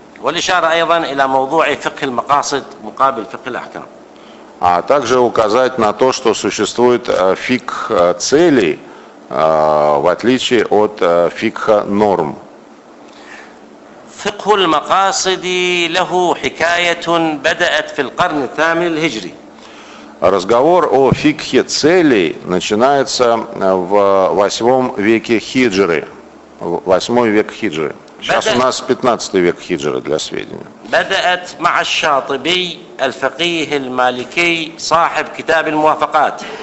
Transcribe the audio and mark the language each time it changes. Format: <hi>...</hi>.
<ar>والإشارة أيضا إلى موضوع فقه المقاصد مقابل فقه الأحكام.</ar> <ru>А также указать на то, что существует фикх целей в отличие от фикха норм.</ru> <ar>فقه المقاصد له حكاية بدأت في القرن الثامن الهجري.</ar> <ru>Разговор о фикхе целей начинается в восьмом веке хиджры. Восьмой век хиджры. Сейчас у нас 15 век хиджры, для сведения.</ru> <ar>بدأت مع الشاطبي الفقيه المالكي صاحب كتاب الموافقات.</ar>